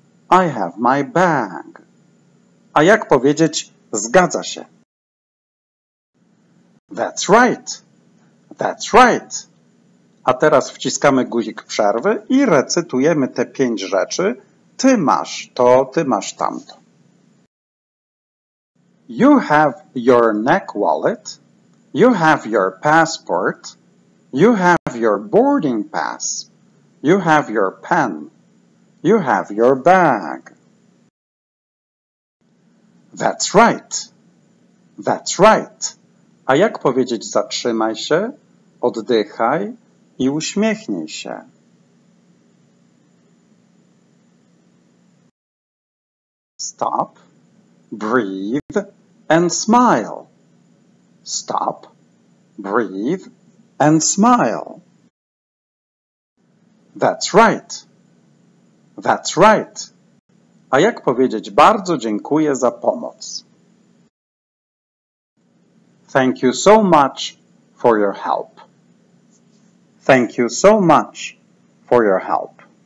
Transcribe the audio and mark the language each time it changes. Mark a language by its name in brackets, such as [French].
[English] I have my bag. [Polish] A jak powiedzieć, zgadza się? [English] That's right. That's right. [Polish] A teraz wciskamy guzik przerwy i recytujemy te 5 rzeczy. Ty masz to, ty masz tamto. [English] You have your neck wallet. You have your passport. You have your boarding pass. You have your pen. You have your bag. That's right. That's right. [Polish] A jak powiedzieć zatrzymaj się, oddychaj i uśmiechnij się? [English] Stop, breathe and smile. Stop, breathe and smile. That's right. That's right. [Polish] A jak powiedzieć bardzo dziękuję za pomoc? [English] Thank you so much for your help. Thank you so much for your help.